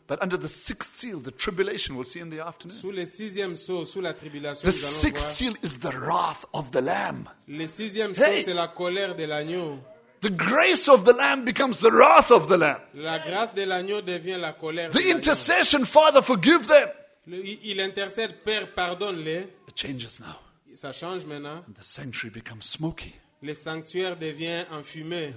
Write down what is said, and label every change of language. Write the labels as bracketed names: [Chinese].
[English] But under the sixth seal, the tribulation we'll see in the afternoon. [French] Sous le sixième sceau, sous la tribulation, [English] the sixth seal is the wrath of the Lamb. [French] Le sixième sceau, c'est la colère de l'agneau. [English] The grace of the Lamb becomes the wrath of the Lamb. [French] La grâce de l'agneau devient la colère. [English] The intercession, Father, forgive them. [French] Il intercède, Père, pardonne-les. [English] It changes now. [French] Ça change maintenant. [English] And the sanctuary becomes smoky. [French] Le sanctuaire devient enfumé.